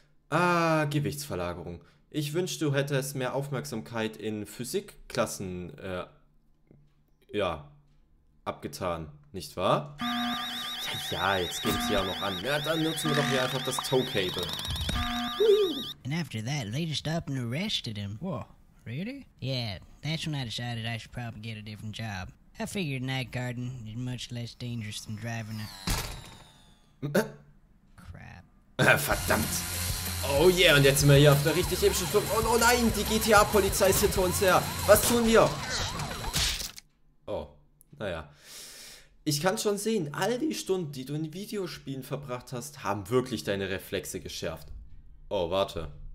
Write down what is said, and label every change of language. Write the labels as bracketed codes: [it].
[de] Gewichtsverlagerung. Ich wünschte, du hättest mehr Aufmerksamkeit in Physikklassen, abgetan, nicht wahr? Ja, jetzt geht es ja noch an. Ja, dann nutzen wir doch hier einfach das Tow-Cable. [en] And after that, they just up and arrested him. Whoa, really? Yeah, that's when I decided I should probably get a different job. I figured night guarding is much less dangerous than driving a... Crap. [de] Verdammt. Oh yeah, und jetzt sind wir hier auf der richtig epischen Flucht. Oh nein, die GTA-Polizei ist hinter uns her. Was tun wir? Oh. Naja, ich kann schon sehen, all die Stunden, die du in Videospielen verbracht hast, haben wirklich deine Reflexe geschärft. Oh, warte.